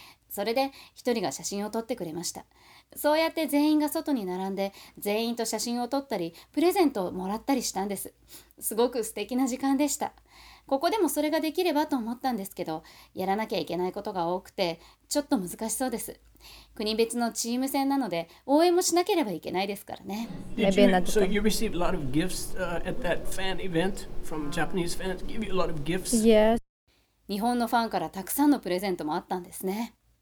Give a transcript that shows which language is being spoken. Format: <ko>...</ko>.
<ja>それで1人が写真を撮ってくれました。そうやって全員が外に並んで、全員と写真を撮ったり、プレゼントをもらったりしたんです。すごく素敵な時間でした。ここでもそれができればと思ったんですけど、やらなきゃいけないことが多くて、ちょっと難しそうです。国別のチーム戦なので、応援もしなければいけないですからね。</ja> <en>So you received a lot of gifts at that fan event from Japanese fans? Give you a lot of gifts? Yes.</en> <ja>日本のファンからたくさんのプレゼントもあったんですね。</ja>